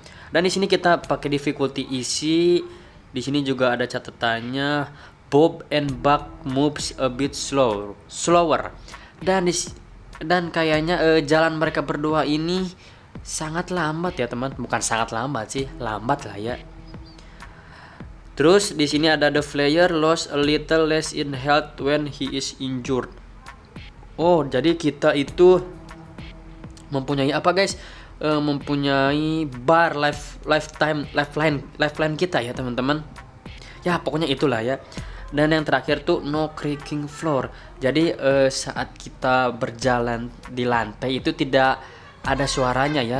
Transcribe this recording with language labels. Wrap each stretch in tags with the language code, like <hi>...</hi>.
<id>Dan di sini kita pakai difficulty easy. Di sini juga ada catatannya,</id> <en>Bob and Buck moves a bit slower.</en> <id>Dan kayaknya jalan mereka berdua ini sangat lambat ya, teman. Bukan sangat lambat sih, lambat lah ya. Terus di sini ada</id> <en>the player lost a little less in health when he is injured.</en> <id>Oh, jadi kita itu mempunyai apa guys? Mempunyai bar lifeline kita ya teman-teman. Ya pokoknya itulah ya. Dan yang terakhir tuh</id> <en>no creaking floor.</en> <id>Jadi saat kita berjalan di lantai itu tidak ada suaranya ya.</id>